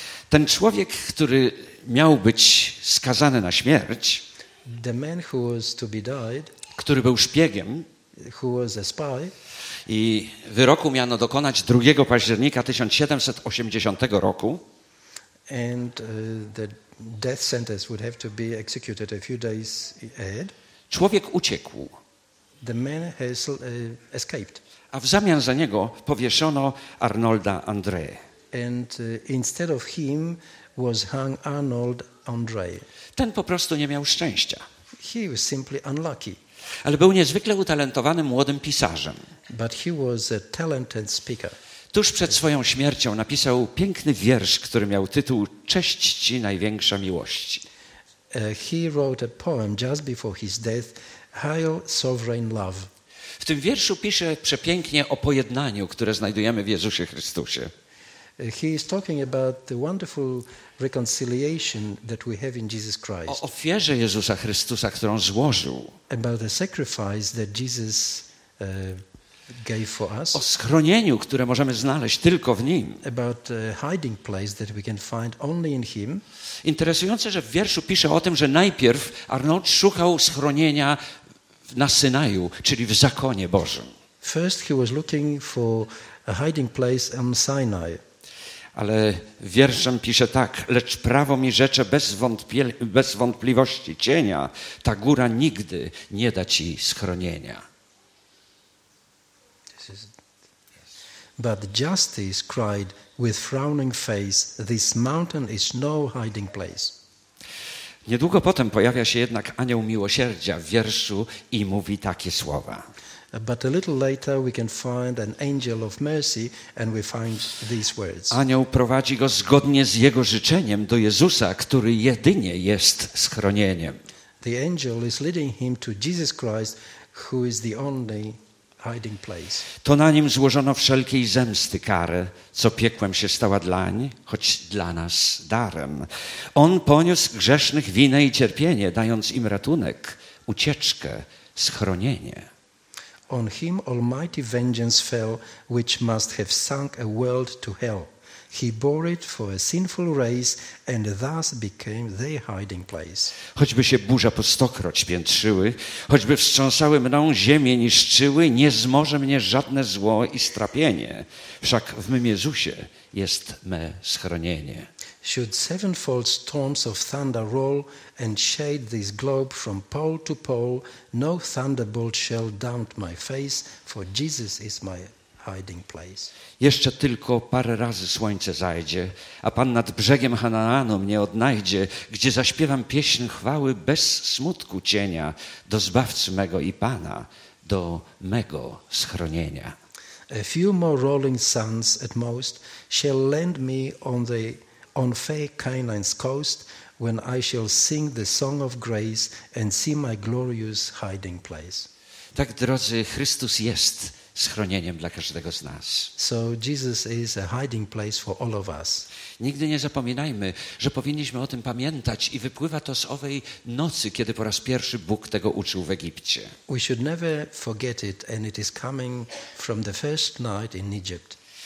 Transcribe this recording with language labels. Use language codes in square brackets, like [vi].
[pl] Ten człowiek, który miał być skazany na śmierć, [en] the man who was to be died, [pl] który był szpiegiem, [en] who was a spy, [pl] i wyroku miano dokonać 2 października 1780 roku, [en] and the death sentence would have to be executed a few days ahead. [pl] Człowiek uciekł. [en] The man has escaped. [pl] A w zamian za niego powieszono Arnolda André. [en] And instead of him was hung Arnold André. [pl] Ten po prostu nie miał szczęścia. [en] He was simply unlucky. [pl] Ale był niezwykle utalentowanym młodym pisarzem. [en] But he was a talented speaker. [pl] Tuż przed swoją śmiercią napisał piękny wiersz, który miał tytuł Cześć ci największa miłości. [en] He wrote a poem just before his death, Hail Sovereign Love. [pl] W tym wierszu pisze przepięknie o pojednaniu, które znajdujemy w Jezusie Chrystusie. [en] He is talking about the wonderful reconciliation that we have in Jesus Christ. [pl] O ofierze Jezusa Chrystusa, którą złożył. [en] About the sacrifice that Jesus gave for us. [pl] O schronieniu, które możemy znaleźć tylko w Nim. [en] About the hiding place that we can find only in Him. [pl] Interesujące, że w wierszu pisze o tym, że najpierw Arnold szukał schronienia na Synaju, czyli w Zakonie Bożym. [en] First he was looking for a hiding place on Sinai. [pl] Ale wierszem pisze tak, lecz prawo mi rzecze bez wątpliwości cienia, ta góra nigdy nie da ci schronienia. [en] But justice cried with frowning face, this mountain is no hiding place. [pl] Niedługo potem pojawia się jednak anioł miłosierdzia w wierszu i mówi takie słowa. [en] But a little later we can find an angel of mercy and we find these words. [pl] Anioł prowadzi go zgodnie z jego życzeniem do Jezusa, który jedynie jest schronieniem. [en] The angel is leading him to Jesus Christ, who is the only hiding place. [pl] To na nim złożono wszelkiej zemsty karę, co piekłem się stała dlań, choć dla nas darem. On poniósł grzesznych winę i cierpienie, dając im ratunek, ucieczkę, schronienie. [en] On him almighty vengeance fell, which must have sunk a world to hell. He bore it for a sinful race and thus became their hiding place. [pl] Choćby się burza po stokroć piętrzyły, choćby wstrząsały mną, ziemię niszczyły, nie zmoże mnie żadne zło i strapienie. Wszak w mym Jezusie jest me schronienie. [en] Should sevenfold storms of thunder roll and shade this globe from pole to pole, no thunderbolt shall daunt my face, for Jesus is my hiding place. [pl] Jeszcze tylko parę razy słońce zajdzie, a Pan nad brzegiem Hananu mnie odnajdzie, gdzie zaśpiewam pieśń chwały bez smutku cienia do Zbawcy mego i Pana, do mego schronienia. [en] A few more rolling suns at most shall land me on fair Canaan's coast, when I shall sing the song of grace and see my glorious hiding place. [pl] Tak, drodzy, Chrystus jest schronieniem dla każdego z nas. [en] So Jesus is a hiding place for all of us. [pl] Nigdy nie zapominajmy, że powinniśmy o tym pamiętać i wypływa to z owej nocy, kiedy po raz pierwszy Bóg tego uczył w Egipcie. [en] We should never forget it and it is coming from the first night in Egypt.